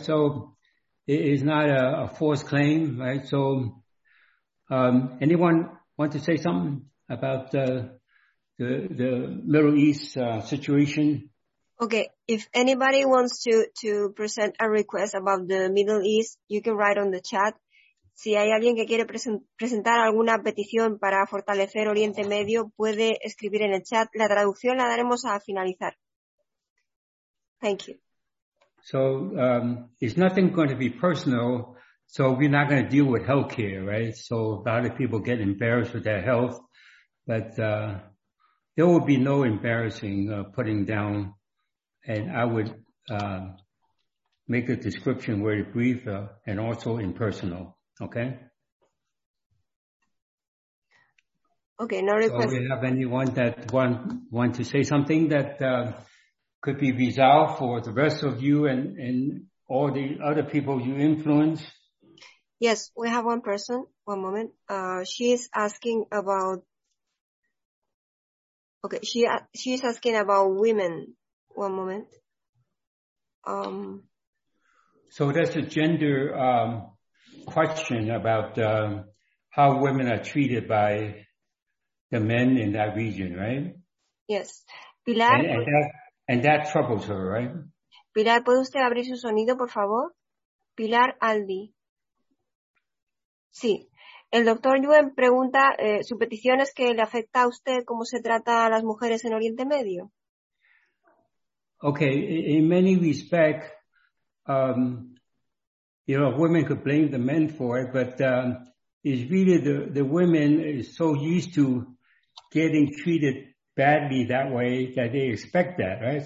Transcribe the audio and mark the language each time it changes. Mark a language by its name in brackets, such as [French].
[English] So it is not a false claim, right? So anyone want to say something about the Middle East situation? Okay, if anybody wants to present a request about the Middle East, you can write on the chat. [Spanish] Si hay alguien que quiere presentar alguna petición para fortalecer Oriente Medio, puede escribir en el chat. La traducción la daremos a finalizar. [English] Thank you. So, it's nothing going to be personal, so we're not going to deal with healthcare, right? So a lot of people get embarrassed with their health, but there will be no embarrassing putting down. And I would make a description very brief and also impersonal, okay? Okay, no request. So we have anyone that want to say something that could be resolved for the rest of you and all the other people you influence? Yes, we have one person. One moment. She's asking about... Okay, she's asking about women. One moment. So that's a gender question about how women are treated by the men in that region, right? Yes. Pilar, and that troubles her, right? [Spanish] Pilar, ¿puede usted abrir su sonido, por favor? Pilar Aldi. Sí. El doctor Yuen pregunta, su petición es que le afecta a usted cómo se trata a las mujeres en Oriente Medio. [English] Okay, in many respects, women could blame the men for it, but it's really the women is so used to getting treated badly that way that they expect that, right?